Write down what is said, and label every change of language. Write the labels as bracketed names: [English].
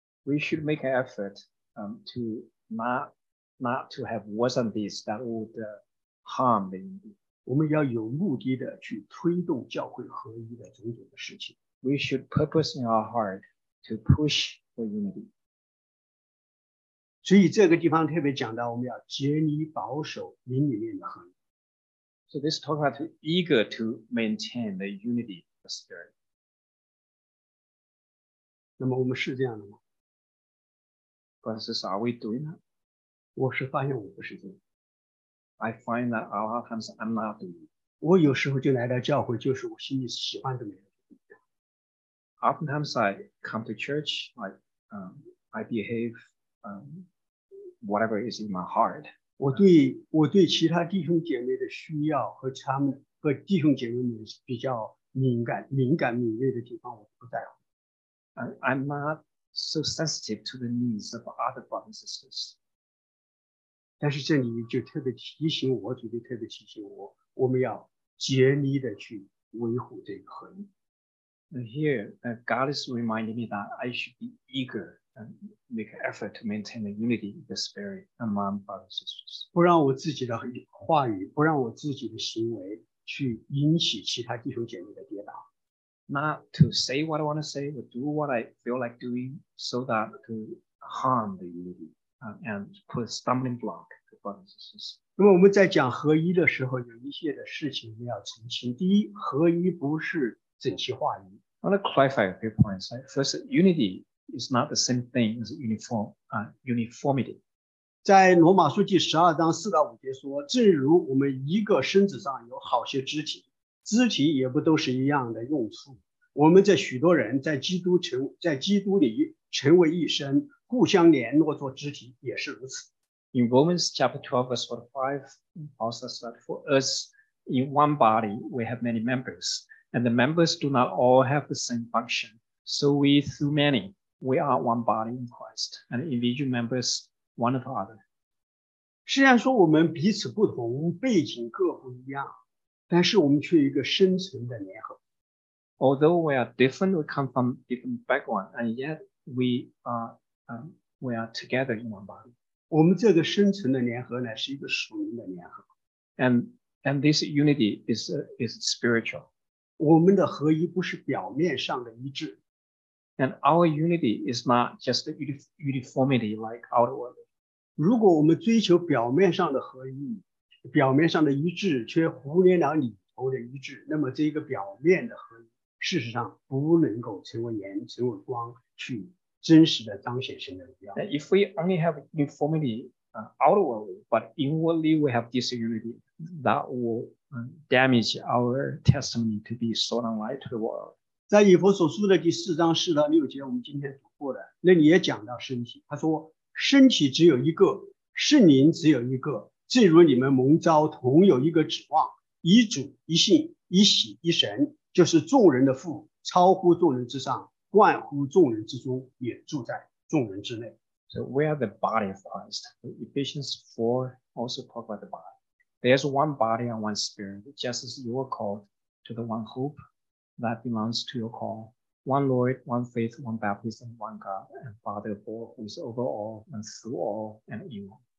[English] We should make an effort to not to have words on this that would harm the unity. [Chinese] 我们要有目的的去推动教会合一的种种的事情。 [English] We should purpose in our heart to push for unity. [Chinese] 所以这个地方特别讲到我们要竭力保守灵里面的合一。 [English] So this talks about eager to maintain the unity of the Spirit. [Chinese] 那么我们是这样的吗？ [English] Francis, are we doing that? [Chinese] 我是发现我不是这样。 [English] I find that a lot of times I'm not doing. [Chinese] 我有时候就来到教会，就是我心里喜欢的那个。 [English] Oftentimes I come to church, I behave, whatever is in my heart. [Chinese] 我对其他弟兄姐妹的需要和他们和弟兄姐妹们比较敏感敏锐的地方，我不在乎。 [English] I'm not so sensitive to the needs of other brothers and sisters. [Chinese] 但是这里就特别提醒我，主就特别提醒我，我们要竭力的去维护这个合一。 [English] And here, God is reminding me that I should be eager and make an effort to maintain the unity of the Spirit among brothers and sisters. [Chinese] 不让我自己的话语，不让我自己的行为去引起其他弟兄姐妹的跌倒。 [English] Not to say what I want to say, but do what I feel like doing, so that to harm the unity. And put a stumbling block to brothers and sisters. [Chinese] 那么我们在讲合一的时候，有一些的事情我们要澄清。第一，合一不是整齐划一。 [English] I want to clarify a few points. First, unity is not the same thing as uniformity. [Chinese] 在罗马书第十二章四到五节说，正如我们一个身子上有好些肢体，肢体也不都是一样的用处。我们这许多人在基督里成为一身。互相联络做肢体也是如此。 [English] in Romans chapter 12, verse 45, Paul says that for us in one body, we have many members, and the members do not all have the same function. So we, through many, we are one body in Christ, and individual members, one of other. [Chinese] 虽然说我们彼此不同，背景各不一样，但是我们却一个深层的联合。 [English] Although we are different, we come from different background, and yet we are together in one body. [Chinese] 我们这个深层的联合呢，是一个属灵的联合。 [English] And this unity is spiritual. [Chinese] 我们的合一不是表面上的一致。 [English] And our unity is not just the uniformity like outward. [Chinese] 如果我们追求表面上的合一，表面上的一致，却忽略了里头的一致，那么这个表面的合一，事实上不能够成为盐，成为光，去真实的彰显神的荣耀。 [English] And if we only have uniformity, outwardly, but inwardly we have disunity, that will damage our testimony to be salt and light to the world. [Chinese] 在以弗所书的第四章四到六节，我们今天读过的，那里也讲到身体，他说身体只有一个，圣灵只有一个，正如你们蒙召同有一个指望，一主一信一喜一神，就是众人的父，超乎众人之上，冠乎众人之中，也住在众人之内。 [English] So we are the body of Christ. Ephesians 4 also talk about the body. There's one body and one spirit, just as you were called to the one hope that belongs to your call. One Lord, one faith, one baptism, one God, and Father of all, who is over all and through all and in all.